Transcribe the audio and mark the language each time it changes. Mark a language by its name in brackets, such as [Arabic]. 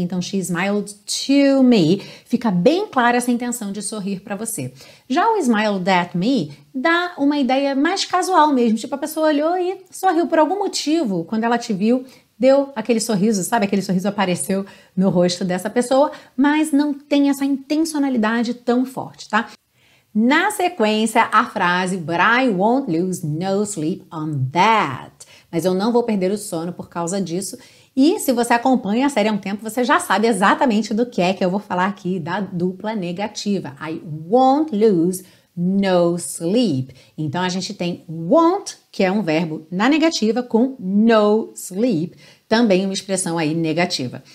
[Portuguese] Então, [English] she smiled to me, [Portuguese] fica bem clara essa intenção de sorrir para você. Já o [English] smiled at me [Portuguese] dá uma ideia mais casual mesmo, tipo a pessoa olhou e sorriu por algum motivo, quando ela te viu, deu aquele sorriso, sabe? Aquele sorriso apareceu no rosto dessa pessoa, mas não tem essa intencionalidade tão forte, tá? Na sequência, a frase, [English] but I won't lose no sleep on that. [Portuguese] Mas eu não vou perder o sono por causa disso. E se você acompanha a série há um tempo, você já sabe exatamente do que eu vou falar aqui da dupla negativa. [English] I won't lose no sleep. [Portuguese] Então, a gente tem won't, que é um verbo na negativa, com no sleep, também uma expressão aí negativa.